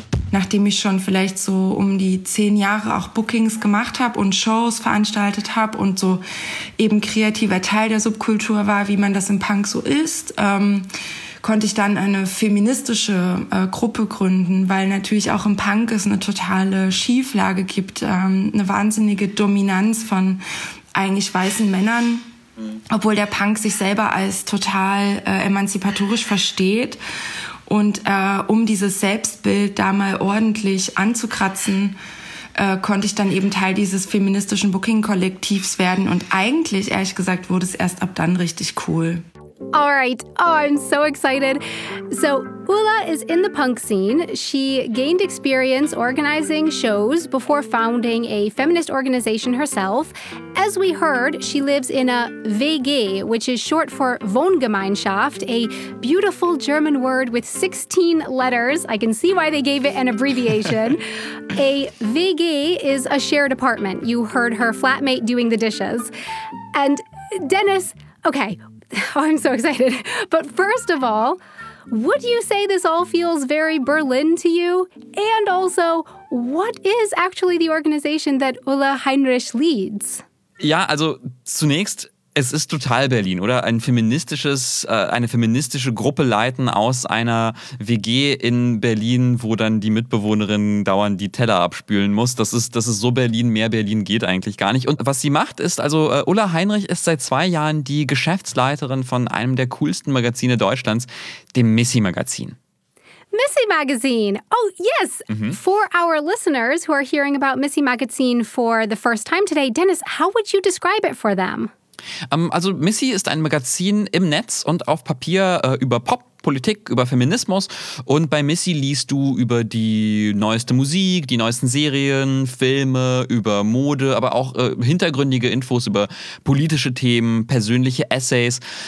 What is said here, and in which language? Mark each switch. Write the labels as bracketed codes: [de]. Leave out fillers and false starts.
[de] Nachdem ich schon vielleicht so um die 10 Jahre auch Bookings gemacht habe und Shows veranstaltet habe und so eben kreativer Teil der Subkultur war, wie man das im Punk so ist, konnte ich dann eine feministische Gruppe gründen, weil natürlich auch im Punk es eine totale Schieflage gibt, eine wahnsinnige Dominanz von eigentlich weißen Männern, obwohl der Punk sich selber als total emanzipatorisch versteht. Und um dieses Selbstbild da mal ordentlich anzukratzen, konnte ich dann eben Teil dieses feministischen Booking-Kollektivs werden. Und eigentlich, ehrlich gesagt, wurde es erst ab dann richtig cool. [en] All right. Oh, I'm so excited. So, Ulla is in the punk scene. She gained experience organizing shows before founding a feminist organization herself. As we heard, she lives in a WG, which is short for Wohngemeinschaft, a beautiful German word with 16 letters. I can see why they gave it an abbreviation. A WG is a shared apartment. You heard her flatmate doing the dishes. And Dennis, okay, oh, I'm so excited. But first of all, would you say this all feels very Berlin to you? And also, what is actually the organization that Ulla Heinrich leads? [de] Ja, also zunächst, es ist total Berlin, oder? Eine feministische Gruppe leiten aus einer WG in Berlin, wo dann die Mitbewohnerin dauernd die Teller abspülen muss. Das ist so Berlin, mehr Berlin geht eigentlich gar nicht. Und was sie macht ist, also Ulla Heinrich ist seit 2 Jahren die Geschäftsleiterin von einem der coolsten Magazine Deutschlands, dem Missy-Magazin. [en] Missy Magazine. Oh, yes. Mm-hmm. For our listeners who are hearing about Missy Magazine for the first time today, Dennis, how would you describe it for them? [de] Also Missy ist ein Magazin im Netz und auf Papier über Pop, Politik, über Feminismus. Und bei Missy liest du über die neueste Musik, die neuesten Serien, Filme, über Mode, aber auch hintergründige Infos über politische Themen, persönliche Essays.